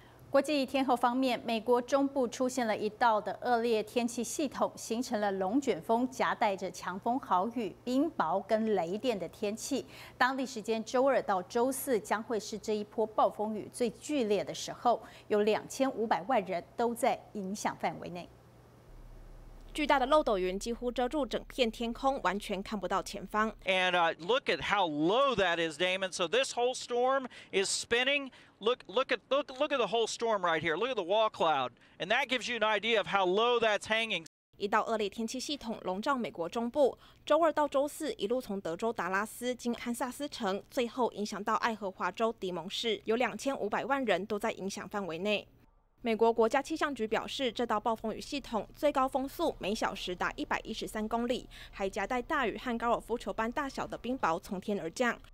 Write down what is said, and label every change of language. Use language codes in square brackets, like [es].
[zh] 国际天候方面，美国中部出现了一道的恶劣天气系统，形成了龙卷风，夹带着强风豪雨、冰雹跟雷电的天气。当地时间周二到周四将会是这一波暴风雨最剧烈的时候，有2500万人都在影响范围内。巨大的漏斗云几乎遮住整片天空，完全看不到前方。 [en] And look at how low that is, Damon. So this whole storm is spinning. Look at the whole storm right here. Look at the wall cloud, and that gives you an idea of how low that's hanging. [zh] 一道恶劣天气系统笼罩美国中部，周二到周四一路从德州达拉斯经堪萨斯城，最后影响到爱荷华州迪蒙市，有2500万人都在影响范围内。美国国家气象局表示，这道暴风雨系统最高风速每小时达113公里，还夹带大雨和高尔夫球般大小的冰雹从天而降。